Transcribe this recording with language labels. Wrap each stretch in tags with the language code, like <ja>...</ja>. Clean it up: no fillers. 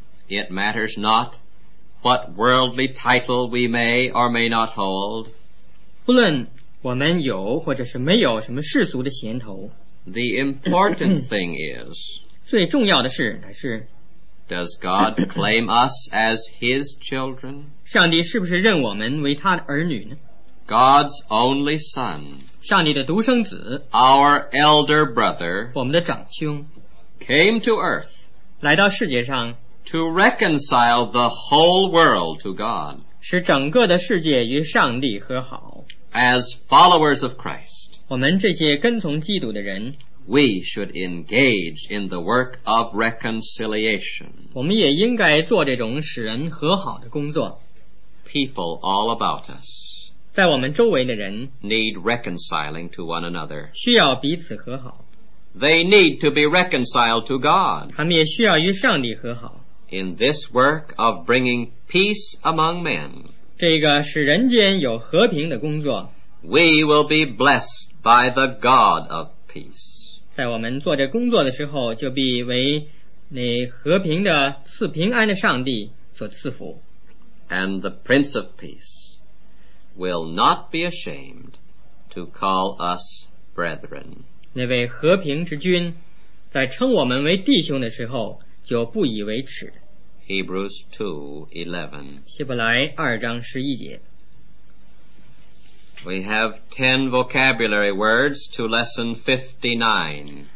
<en>It matters not what worldly title we may or may not hold.</en> <zh>不论我们有或者是没有什么世俗的衔头。</zh> <en>The important thing is.</en> <zh>最重要的事乃是。</zh> <en>Does God claim us as His children?</en> <zh>上帝是不是认我们为他的儿女呢？</zh> <en>God's only Son.</en> <zh>上帝的独生子</zh> <en>Our elder brother</en> <zh>我们的长兄</zh> <en>Came to earth</en> <zh>来到世界上</zh> <en>To reconcile the whole world to God</en> <zh>使整个的世界与上帝和好</zh> <en>As followers of Christ</en> <zh>我们这些跟从基督的人</zh> <en>We should engage in the work of reconciliation</en> <zh>我们也应该做这种使人和好的工作</zh> <en>People all about us</en> <zh>在我们周围的人</zh> <en>need reconciling to one another</en> <zh>需要彼此和好</zh> <en>they need to be reconciled to God</en> <zh>他们也需要与上帝和好</zh> <en>in this work of bringing peace among men</en> <zh>这个使人间有和平的工作</zh> <en>we will be blessed by the God of peace</en> <zh>在我们做这工作的时候就必为那和平的赐平安的上帝所赐福</zh> <en>and the Prince of Peace will not be ashamed to call us brethren.</en> <zh>那位和平之君在称我们为弟兄的时候就不以为耻。</zh> <en>Hebrews 2:11.</en> <zh>希伯来二章十一节。</zh> <en>We have 10 vocabulary words to lesson 59.</en>